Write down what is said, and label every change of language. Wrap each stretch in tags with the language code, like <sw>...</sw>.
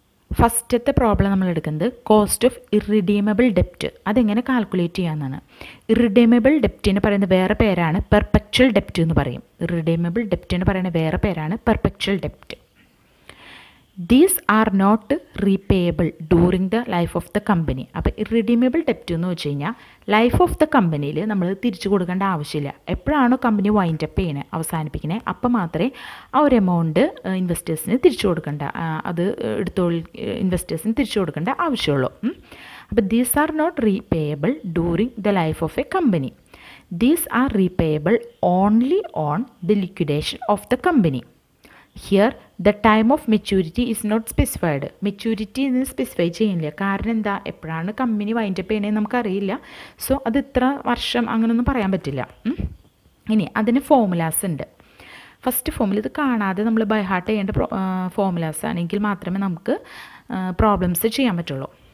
<ml>ഫസ്റ്റത്തെ പ്രോബ്ലം നമ്മൾ എടുക്കുന്നത് കോസ്റ്റ് ഓഫ് ഇറിഡീമബിൾ ഡെപ്റ്റ്. അതെങ്ങനെ കാൽക്കുലേറ്റ് ചെയ്യാമെന്നാണ്. ഇറിഡീമബിൾ ഡെപ്റ്റിന് പറയുന്ന വേറെ പേരാണ് പെർപെച്വൽ ഡെപ്റ്റ് എന്ന് പറയും. ഇറിഡീമബിൾ ഡെപ്റ്റിന് പറയുന്ന വേറെ പേരാണ് perpetual ഡെപ്റ്റ്.</ml> <en>These are not repayable during the life of the company.</en> <ml>അപ്പോൾ ഇറിഡീമബിൾ ഡെപ്റ്റ് എന്ന് വെച്ച് കഴിഞ്ഞാൽ ലൈഫ് ഓഫ് ദ കമ്പനിയിൽ നമ്മൾ തിരിച്ചു കൊടുക്കേണ്ട ആവശ്യമില്ല. എപ്പോഴാണോ കമ്പനി വൈൻഡപ്പ് ചെയ്യുന്നത്, അവസാനിപ്പിക്കുന്നത്, അപ്പോൾ മാത്രമേ ആ ഒരു എമൗണ്ട് ഇൻവെസ്റ്റേഴ്സിന് തിരിച്ചു കൊടുക്കേണ്ട, അത് എടുത്തോളി ഇൻവെസ്റ്റേഴ്സിന് തിരിച്ചു കൊടുക്കേണ്ട ആവശ്യമുള്ളൂ.</ml> <en>അപ്പോൾ these are not repayable during the life of a company. These are repayable only on the liquidation of the company. Here, the time of maturity is not specified. Maturity is specified ചെയ്യുന്നില്ല.</en> <ml>കാരണം എന്താ, എപ്പോഴാണ് company wind up ചെയ്യണേന്ന് നമുക്കറിയില്ല. So അത് ഇത്ര വർഷം അങ്ങനെയൊന്നും പറയാൻ പറ്റില്ല. ഇനി അതിന് ഫോർമുലാസ് ഉണ്ട്. ഫസ്റ്റ് ഫോമിൽ ഇത് കാണാതെ നമ്മൾ ബൈ ഹാർട്ട് ചെയ്യേണ്ട ഫോർമുലാസ് ആണെങ്കിൽ മാത്രമേ നമുക്ക് പ്രോബ്ലംസ് ചെയ്യാൻ പറ്റുള്ളൂ.</ml>